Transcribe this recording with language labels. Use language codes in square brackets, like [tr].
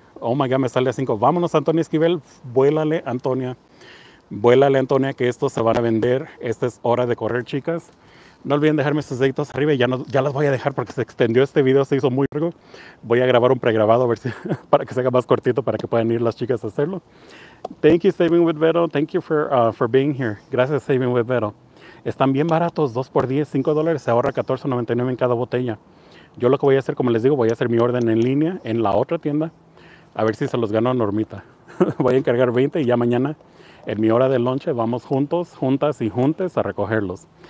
[en] Oh my God, [es] me sale a 5. Vámonos, Antonia Esquivel. Vuélale, Antonia. Vuélale, Antonia, que estos se van a vender. Esta es hora de correr, chicas. No olviden dejarme sus deditos arriba. Ya, no, ya las voy a dejar porque se extendió este video. Se hizo muy largo. Voy a grabar un pregrabado a ver si, para que se haga más cortito, para que puedan ir las chicas a hacerlo. [en] Thank you, Saving with Vero. Thank you for being here. [es] Gracias, Saving with Vero. Están bien baratos, 2x10, $5, se ahorra $14.99 en cada botella. Yo lo que voy a hacer, como les digo, voy a hacer mi orden en línea, en la otra tienda, a ver si se los gano a Normita. Voy a encargar 20 y ya mañana, en mi hora de lunch, vamos juntos, juntas y juntes a recogerlos.